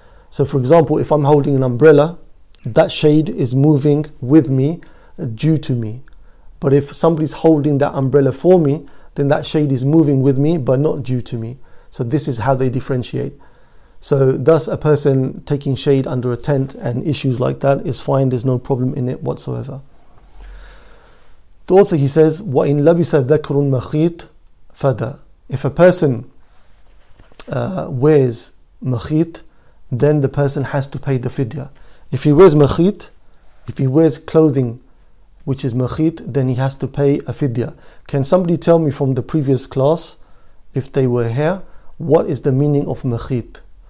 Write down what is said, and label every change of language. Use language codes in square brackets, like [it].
[en] So for example, if I'm holding an umbrella, that shade is moving with me due to me. But if somebody's holding that umbrella for me, then that shade is moving with me but not due to me. So this is how they differentiate. So thus a person taking shade under a tent and issues like that is fine, there's no problem in it whatsoever. The author, he says, [ar] وَإِن لَبِسَ ذَكْرٌ مَخِيط فَدَى. [en] If a person wears مَخِيط, then the person has to pay the fidya. If he wears مَخِيط, if he wears clothing which is مَخِيط, then he has to pay a fidya. Can somebody tell me from the previous class, if they were here, what is the meaning of مَخِيط?